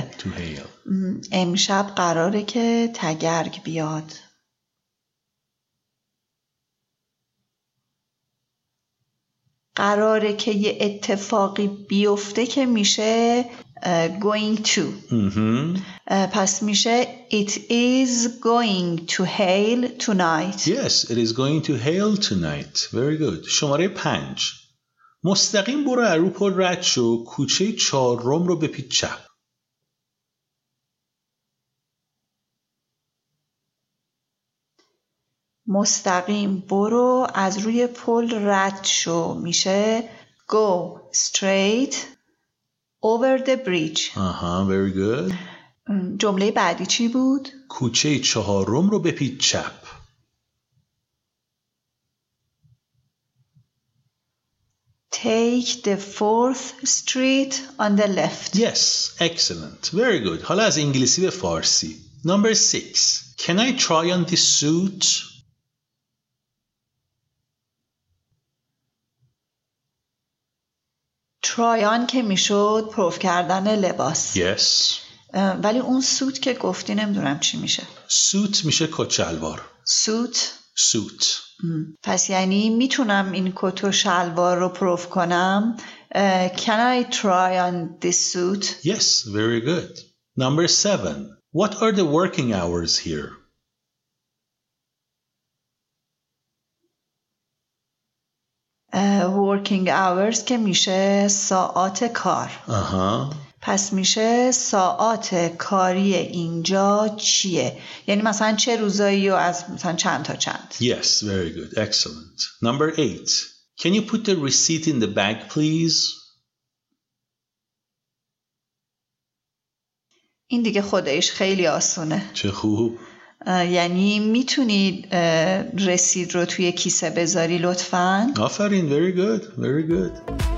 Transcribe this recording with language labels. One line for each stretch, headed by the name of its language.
Persian: تو هیل. امشب قراره که تگرگ بیاد. قراره که یه اتفاقی بیفته که میشه going to. پس میشه
English: it is going to hail tonight. Yes, it is going to hail tonight. Very good.
Persian: شماره 5. مستقیم برو ایروپورت رد شو، کوچه چهارم رو بپیچ چپ. مستقیم برو از روی پل رد شو میشه
English: go straight over the bridge. Very good.
Persian: جمله بعدی چی بود؟ کوچه چهارم رو بپیچ چپ.
English: Take the fourth street on the left. Yes, excellent. Very good.
Persian: حالا از انگلیسی به فارسی.
English: Number 6. Can I try on this suit?
Persian: Try on که میشد پروف کردن لباس.
English: Yes.
Persian: ولی اون سوت که گفتی نمیدونم چی میشه. سوت میشه کچلوار. سوت؟ سوت. پس یعنی میتونم این کت و شلوار رو پروف کنم.
English: Can I try on this suit? Yes, very good. Number 7. What are the working hours here?
Persian: Working hours که میشه ساعات کار. پس میشه ساعات کاری اینجا چیه؟ یعنی مثلا چه روزایی و از مثلا چند تا چند.
English: Yes, very good, excellent. Number 8. Can you put the receipt in the bag, please?
Persian: این دیگه خودش خیلی آسونه. چه خوب. یعنی میتونید رسید رو توی کیسه بذاری لطفاً؟ آفرین.
English: Very good.